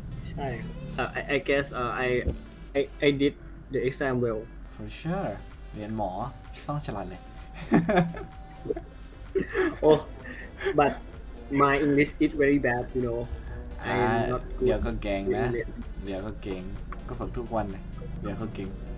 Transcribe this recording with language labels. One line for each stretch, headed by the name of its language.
Thai: ใช่
English: I guess I did the exam well for sure
Thai: เรียนหมอต้องฉลาดเลย
English: โอ้ but my English is very bad you know I'm not good
Thai: เดี๋ยวก็เก่งนะเดี๋ยวก็เก่งก็ฝึกทุกวันเลยเดี๋ยวก็เก่ง